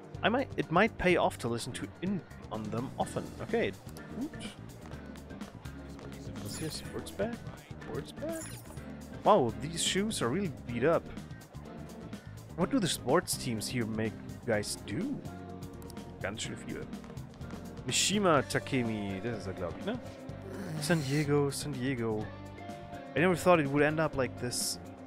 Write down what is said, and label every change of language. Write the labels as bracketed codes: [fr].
[en] It might pay off to listen to in on them often. Okay. Is this sports bag? Sports bag? Wow, these shoes are really beat up. What do the sports teams here make you guys do? [de] Ganz schön viel. Mishima Takemi, das ist er, glaube ich, ne? San Diego. [en] I never thought it would end up like this.